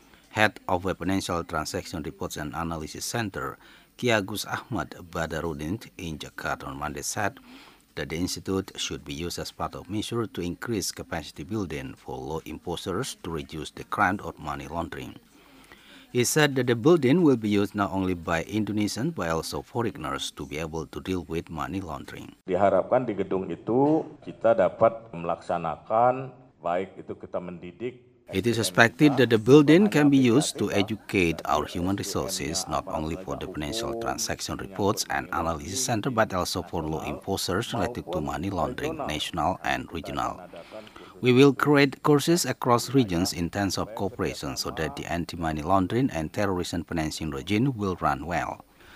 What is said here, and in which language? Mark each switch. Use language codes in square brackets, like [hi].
[en] Head of the Financial Transaction Reports and Analysis Center, Kiagus Ahmad Badarudin, in Jakarta on Monday said that the institute should be used as part of measures to increase capacity building for law enforcers to reduce the crime of money laundering. He said that the building will be used not only by Indonesians but also foreigners to be able to deal with money laundering. [id] Diharapkan di gedung itu kita dapat melaksanakan baik itu kita mendidik. [en] It is expected that the building can be used to educate our human resources not only for the Financial Transaction Reports and Analysis Center but also for law enforcers related to money laundering, national and regional. We will create courses across regions in terms of cooperation so that the anti-money laundering and terrorism financing regime will run well.